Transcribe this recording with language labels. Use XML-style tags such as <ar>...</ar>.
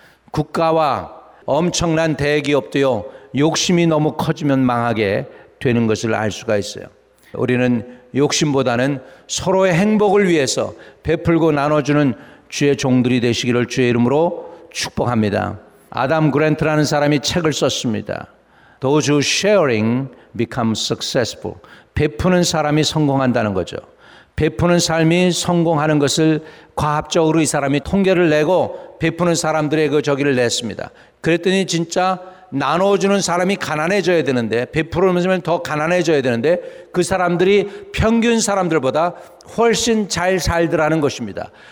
<ko>국가와 엄청난 대기업도요, 욕심이 너무 커지면 망하게 되는 것을 알 수가 있어요. 우리는 욕심보다는 서로의 행복을 위해서 베풀고 나눠주는 주의 종들이 되시기를 주의 이름으로 축복합니다. 아담 그랜트라는 사람이 책을 썼습니다.</ko> <en>Those who sharing become successful.</en> <ko>베푸는 사람이 성공한다는 거죠. 베푸는 삶이 성공하는 것을 과학적으로 이 사람이 통계를 내고 베푸는 사람들의 그 저기를 냈습니다. 그랬더니 진짜 나눠주는 사람이 가난해져야 되는데, 베풀면 더 가난해져야 되는데 그 사람들이 평균 사람들보다 훨씬 잘 살더라는 것입니다.</ko>